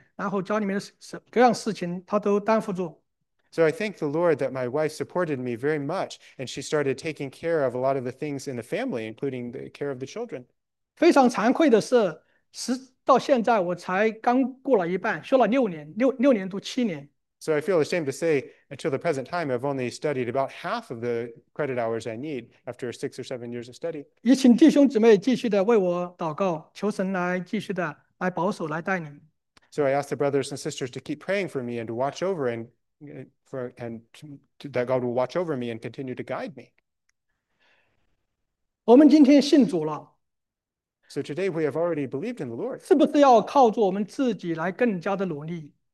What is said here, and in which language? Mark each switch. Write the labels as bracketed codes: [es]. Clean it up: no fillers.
[zh] 感谢主的是我太太非常的支持，一直就担过做家里面的，就是孩子的教育，然后家里面的各样事情，她都担负住。 [en] So I thank the Lord that my wife supported me very much, and she started taking care of a lot of the things in the family, including the care of the children. [zh] 非常惭愧的是，到现在我才刚过了一半，修了六年，六年多七年。 [en] So I feel ashamed to say, until the present time, I've only studied about half of the credit hours I need after 6 or 7 years of study. [zh] 也请弟兄姊妹继续的为我祷告，求神来继续的来保守，来带领。 [en] So I ask the brothers and sisters to keep praying for me and to watch over and for and to, that God will watch over me and continue to guide me. [zh] 我们今天信主了, [en] So today we have already believed in the Lord. [zh] 是不是要靠着我们自己来更加的努力？